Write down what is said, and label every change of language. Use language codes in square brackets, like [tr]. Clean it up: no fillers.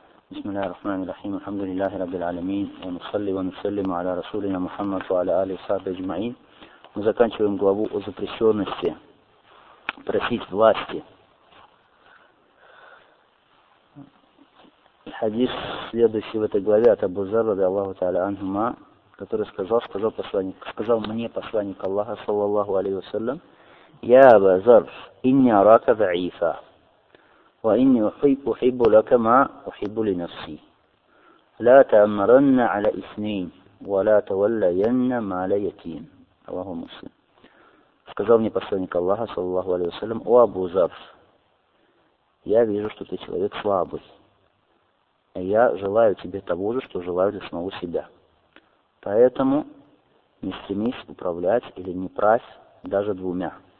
[ar] بسم الله الرحمن الرحيم، الحمد لله رب العالمين، ونصلي ونسلم على رسولنا محمد وعلى آله وصحبه أجمعين. [ru] Мы заканчиваем главу о запрещенности просить власти. Хадис следующий в этой главе от Абу Зарра [ar] رضي الله تعالى عنه, [ru] который сказал мне посланник Аллаха [ar] صلى الله عليه وسلم: [ru] Я Абу Зарр, [ar] инни арака заифа. وإني أحب لك ما أحب لنفسي لا تأمرن على اثنين ولا تولين مال يتيم رواه مسلم. [ru] Сказал мне посланник Аллаха саллаллаху алейхи ва саллям: О Абу Зарр, я вижу, что ты человек слабый, и я желаю тебе того же, что желаю для самого себя. Поэтому не стремись управлять или не прась даже двумя.